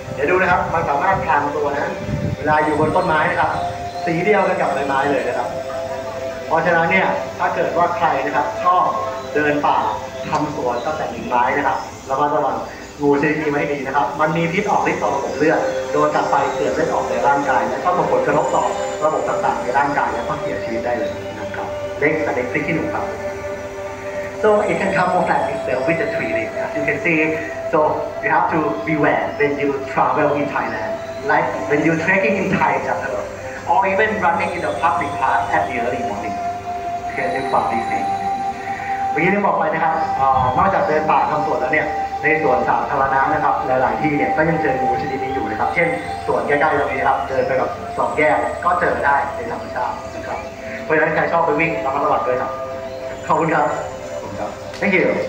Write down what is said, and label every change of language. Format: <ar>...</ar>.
<th>เดี๋ยวดูนะครับมันสามารถคลางตัวนะเวลาอยู่บนต้นไม้นะครับสีเดียวกันกับใบไม้เลยนะครับเพราะฉะนั้นเนี่ยถ้าเกิดว่าใครนะครับชอบเดินป่าทำสวนตั้งแต่หนิงไม้นะครับระมัดระวังงูชนิดนี้ไม่ดีนะครับมันมีพิษออกฤทธิ์ต่อของเลือดโดนกัดไปเกิดเลือดออกในร่างกายและก็ส่งผลกระทบต่อระบบต่างๆในร่างกายและก็เสียชีวิตได้เลยนะครับเล็กแต่เล็กพริกขี้หนูครับ</th> <en>So it can camouflage itself with the tree leaves, as you can see. So you have to beware when you travel in Thailand, like when you trekking in Thai jungle, or even running in the public park at the early morning. Can you find this thing?</en> <th>วันนี้ได้บอกไปนะครับนอกจากเดินป่าทำสวนแล้วเนี่ยในสวนสาธารณะนะครับหลายๆที่เนี่ยก็ยังเจองูชนิดนี้อยู่นะครับเช่นสวนใกล้ๆตรงนี้ครับเดินไปกับสองแยกก็เจอได้ในธรรมชาตินะครับเพราะฉะนั้นใครชอบไปวิ่งระมัดระวังด้วยครับขอบคุณครับ</th> <en>Thank you.</en>